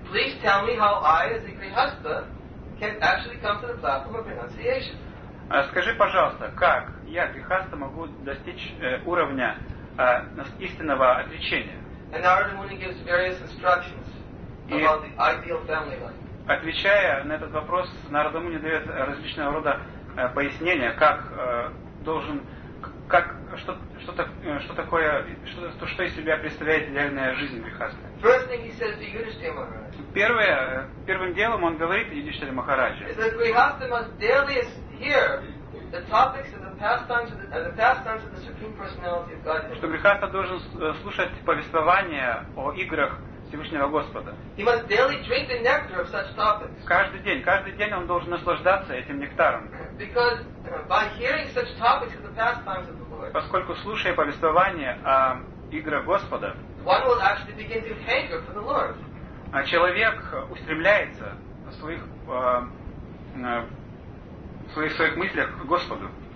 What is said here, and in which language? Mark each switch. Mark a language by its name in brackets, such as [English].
[English] Please tell me how I, as a grihastha, can actually come to the platform of renunciation. [Russian] Скажи, пожалуйста, как я, грихастха, могу достичь уровня истинного отречения? [English] And Narada Muni gives various instructions about the ideal family life. [Russian] Отвечая на этот вопрос, Нарада Муни дает различного рода пояснения, как должен, как что из себя представляет идеальная жизнь грихаста. [English] First thing he says to Yudhishthira Maharaj. [Russian] Первым делом он говорит Юдхиштхире Махараджу. [English] That grihastha must daily hear the topics and the pastimes of the Supreme Personality of Godhead. [Russian] Что грихастха должен слушать повествования о играх Всевышнего Господа. [English] He must daily drink the nectar of such topics. [Russian] Каждый день он должен наслаждаться этим нектаром. [English] Because by hearing such topics of the pastimes of the Lord. [Russian] Поскольку слушая повествования о играх Господа. [English] One will actually begin to hanker for the Lord. [Russian] А человек устремляется в своих мыслях к Господу.